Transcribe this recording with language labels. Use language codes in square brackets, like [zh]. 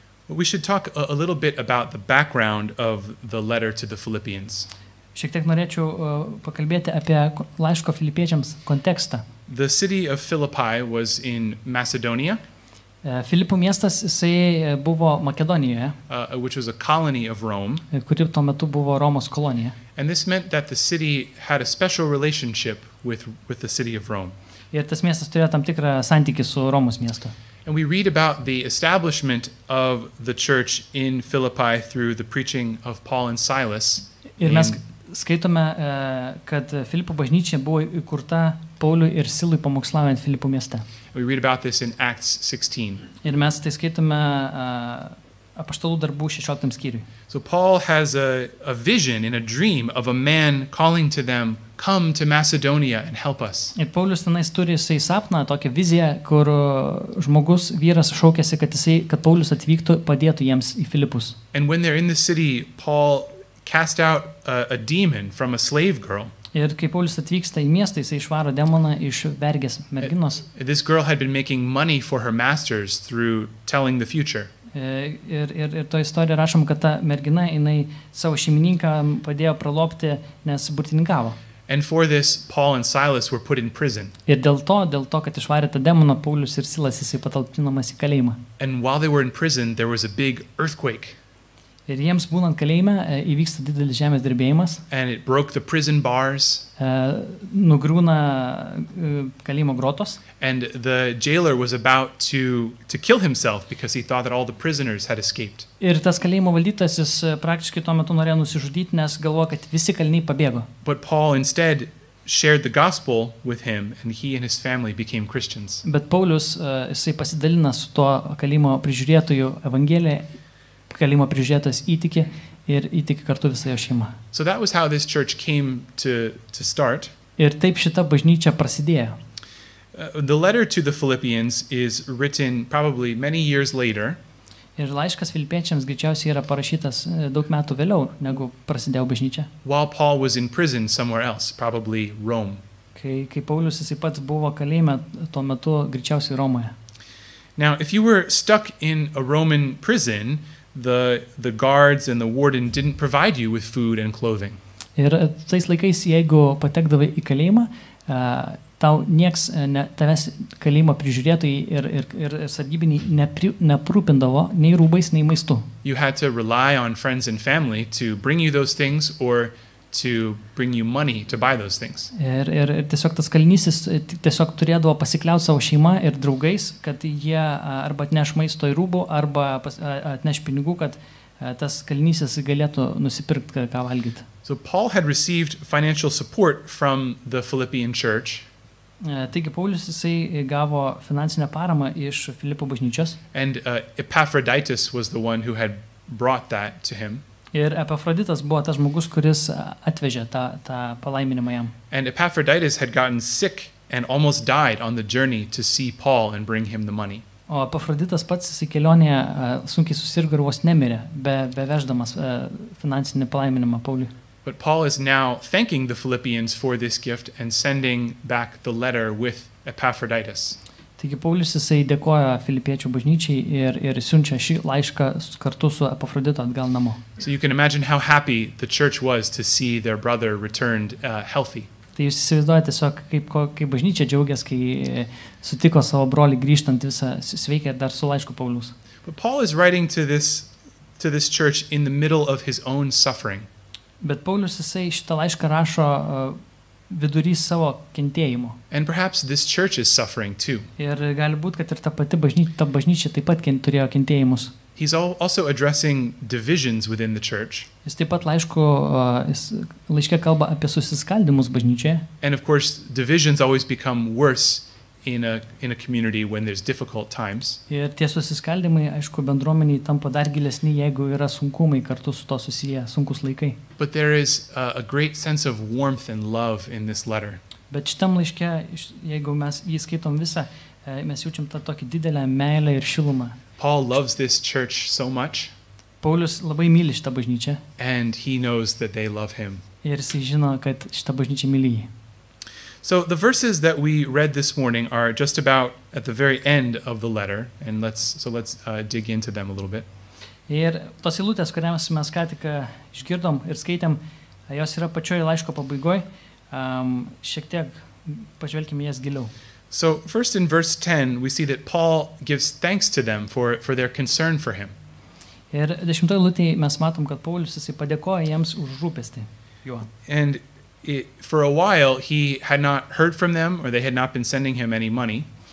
[en] We should talk a little bit about the background of the letter to the Philippians. [lt] Šiek tiek norėčiau pakalbėti apie laiško filipiečiams kontekstą. [en] The city of Philippi was in Macedonia. [lt] Filipų miestas, jisai buvo Makedonijoje. [en] Which was a colony of Rome. [lt] Kuri tuo metu buvo Romos kolonija. [en] And this meant that the city had a special relationship with the city of Rome. [lt] Ir tas miestas turėjo tam tikrą santykį su Romos miestu. [en] And we read about the establishment of the church in Philippi through the preaching of Paul and Silas. [lt] Ir mes skaitome, kad Filipų bažnyčia buvo įkurta Pauliui ir Silui pamokslaujant Filipų mieste. [en] We read about this in Acts 16. [lt] Ir mes tai skaitome Apaštalų darbų 16 skyriui. [en] So Paul has a vision in a dream of a man calling to them, come to Macedonia and help us. [lt] Ir Paulius tenais turi jisai sapną, tokią viziją, kur žmogus, vyras šaukėsi, kad Paulius atvyktų, padėtų jiems į Filipus. [en] And when they're in the city, Paul cast out a demon from a slave girl. [lt] Ir kai Paulius atvyksta į miestą, jisai išvaro demoną iš vergės merginos. [en] This girl had been making money for her masters through telling the future. [lt] Ir to istoriją rašom, kad ta mergina, jinai savo šeimininką padėjo pralopti, nes burtininkavo. [en] And for this, Paul and Silas were put in prison. [lt] Ir dėl to, kad išvarė tą demoną, Paulius ir Silas, jisai patalpinamas į kalėjimą. [en] And while they were in prison, there was a big earthquake. [lt] Ir jiems būnant kalėjime, įvyksta didelis žemės drebėjimas. [en] And it broke the prison bars. [lt] Nugrūna kalėjimo grotos. [en] And the jailer was about to kill himself because he thought that all the prisoners had escaped. [lt] Ir tas kalėjimo valdytas, jis praktiškai tuo metu norėjo nusižudyti, nes galvojo, kad visi kaliniai pabėgo. [en] But Paul instead shared the gospel with him and he and his family became Christians. [lt] Bet Paulius, jisai pasidalina su tuo kalėjimo prižiūrėtoju evangeliją, kalėjimo prižiūrėtas įtikė ir įtikė kartu visą jo šeimą. [en] So that was how this church came to start. [lt] Ir taip šita bažnyčia prasidėjo. [en] The letter to the Philippians is written probably many years later. [lt] Ir laiškas Filipiečiams greičiausiai yra parašytas daug metų vėliau, negu prasidėjo bažnyčia. [en] While Paul was in prison somewhere else, probably Rome. [lt] Kai Paulius jisai pats buvo kalėjime tuo metu greičiausiai Romoje. [en] Now, if you were stuck in a Roman prison, the guards and the warden didn't provide you with food and clothing. [lt] Ir tais laikais, jeigu patekdavai į kalėjimą, tau nieks, tavęs kalėjimo prižiūrėtojai ir sargybiniai neprūpindavo nei rūbais, nei maistu. [en] You had to rely on friends and family to bring you those things or to bring you money to buy those things. [lt] Ir tiesiog tas kalinysis tiesiog turėdavo pasikliauti savo šeimą ir draugais, kad jie arba atneš maisto ir rūbų, arba atneš pinigų, kad tas kalinysis galėtų nusipirkti, ką valgyti. [en] So Paul had received financial support from the Philippian church. [lt] Taigi Paulius jisai gavo finansinę paramą iš Filipo bažnyčios. [en] And Epaphroditus was the one who had brought that to him. [lt] Ir Epafroditas buvo tas žmogus, kuris atvežė tą palaiminimą jam. [en] And Epaphroditus had gotten sick and almost died on the journey to see Paul and bring him the money. [lt] O Epafroditas pats į kelionę sunkiai susirgo ir vos nemirė, bevešdamas finansinį palaiminimą Pauliui. [en] But Paul is now thanking the Philippians for this gift and sending back the letter with Epaphroditus. [lt] Taigi Paulius jisai dėkoja Filipiečių bažnyčiai ir siunčia šį laišką kartu su Epafroditu atgal namo. [en] So you can imagine how happy the church was to see their brother returned healthy. [lt] Tai jūs įsivaizduojate tiesiog, kaip bažnyčia džiaugės, kai sutiko savo brolį grįžtant visą sveikę dar su laišku Paulius. [en] But Paul is writing to this church in the middle of his own suffering. [lt] Bet Paulius jisai šitą laišką rašo vidury savo kentėjimo. [en] And perhaps this church is suffering too. [lt] Ir gali būt, kad ir ta pati bažnyčia taip pat turėjo kentėjimus. [en] He's also addressing divisions within the church. [lt] Jis taip pat laiške kalba apie susiskaldimus bažnyčioje. [en] And of course, divisions always become worse in a community when there's difficult times. [lt] Ir tie susiskaldimai, aišku, bendruomeniai tampa dar gilesni, jeigu yra sunkumai kartu su to susiję, sunkus laikai. [en] But there is a great sense of warmth and love in this letter. [lt] Bet šitam laiške, jeigu mes jį skaitom visą, mes jaučiam tą tokį didelę meilę ir šilumą. [en] Paul loves this church so much. [lt] Paulius labai myli šitą bažnyčią. [en] And he knows that they love him. [lt] Ir jis žino, kad šitą bažnyčią myli jį. [en] So the verses that we read this morning are just about at the very end of the letter, and let's dig into them a little bit. [lt] Ir tos eilutės, kurias mes ką tik išgirdom ir skaitėm, jos yra pačioje laiško pabaigoj. Šiek tiek pažvelkime jas giliau. [en] So first in verse 10 we see that Paul gives thanks to them for their concern for him. [lt] Ir dešimtoje eilutėje mes matom, kad Paulius jisai padėkoja jiems už rūpestį juo. [en] And for a while he had not heard from them or they had not been sending him any money.